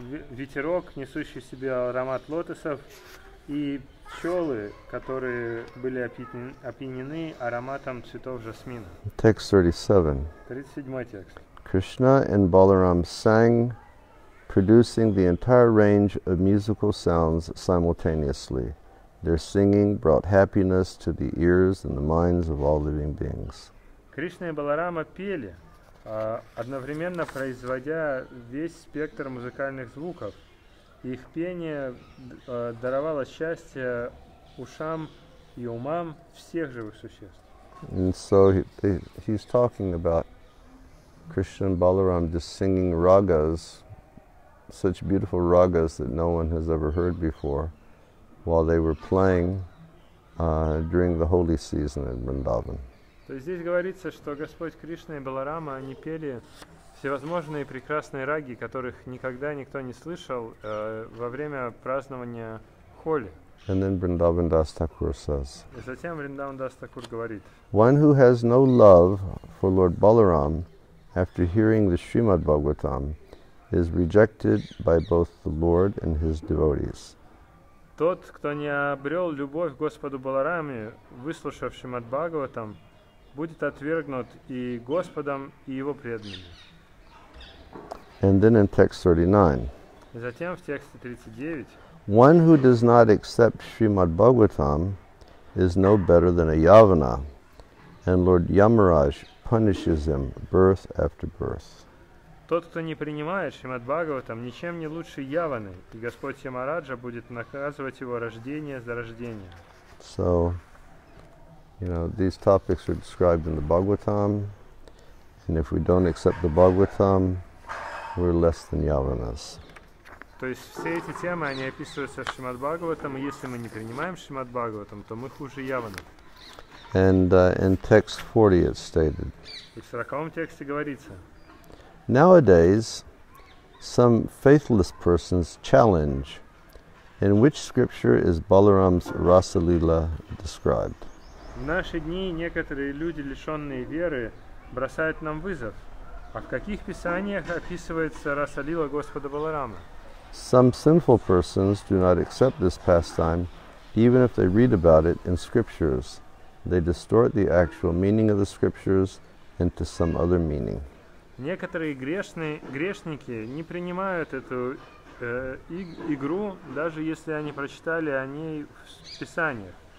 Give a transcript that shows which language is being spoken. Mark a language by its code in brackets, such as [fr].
[ru] Ветерок, несущий в себе аромат лотосов, и пчелы, которые были опьянены ароматом цветов жасмина. [en] Text 37. [ru] 37 текст. [en] Krishna and Balaram sang, producing the entire range of musical sounds simultaneously. Their singing brought happiness to the ears and the minds of all living beings. [ru] Krishna и Баларама пели, одновременно производя весь спектр музыкальных звуков. Их пение даровало счастье ушам и умам всех живых существ. [en] And so he's talking about Krishna and Balaram just singing ragas, such beautiful ragas that no one has ever heard before, while they were playing during the holy season in Vrindavan. [ru] То есть здесь говорится, что Господь Кришна и Баларама, они пели всевозможные прекрасные раги, которых никогда никто не слышал во время празднования Холи. [en] And then Vrindavan Das Thakur says, [ru] и затем Vrindavan Das Thakur говорит, [en] one who has no love for Lord Balaram after hearing the Srimad Bhagavatam is rejected by both the Lord and his devotees. [ru] Тот, кто не обрел любовь к Господу Балараме, выслушав Шримад Бхагаватам, будет отвергнут и Господом, и его преданными. [en] And then in text 39. [ru] Затем в тексте 39. [en] One who does not accept Srimad Bhagavatam is no better than a Yavana, and Lord Yamaraj punishes him birth after birth. [ru] Тот, кто не принимает Шримад Бхагаватам, ничем не лучше Яваны, и Господь Ямараджа будет наказывать его рождение за рождение. [en] So, you know, these topics are described in the Bhagavatam, and if we don't accept the Bhagavatam, we're less than Yavanas. [ru] То есть все эти темы, они описываются в Шримад Бхагаватам, и если мы не принимаем Шримад Бхагаватам, то мы хуже Яваны. [en] And in text 40 it's stated. [ru] И в 40-м тексте говорится, [en] nowadays, some faithless persons challenge, in which scripture is Balaram's Rasalila described? [ru] В наши дни некоторые люди, лишенные веры, бросают нам вызов. А в каких писаниях описывается Расалила Господа Баларама? [en] Some sinful persons do not accept this pastime, even if they read about it in scriptures. They distort the actual meaning of the scriptures into some other meaning. [ru] Некоторые грешники не принимают эту игру, даже если они прочитали о ней в писаниях.